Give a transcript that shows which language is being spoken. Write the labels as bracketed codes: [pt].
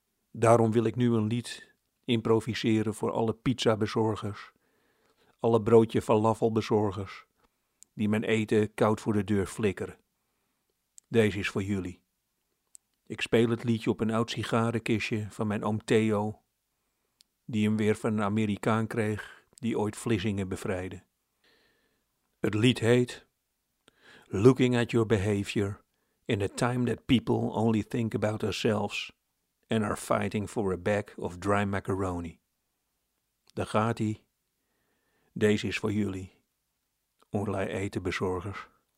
[nl] Daarom wil ik nu een lied improviseren voor alle pizza-bezorgers, alle broodje-falafel-bezorgers die mijn eten koud voor de deur flikkeren. Deze is voor jullie. Ik speel het liedje op een oud sigarenkistje van mijn oom Theo, die hem weer van een Amerikaan kreeg die ooit Vlissingen bevrijdde. Het lied heet [en] "Looking at your behavior in a time that people only think about ourselves and are fighting for a bag of dry macaroni." [nl] Daar gaat ie. Deze is voor jullie, online etenbezorgers.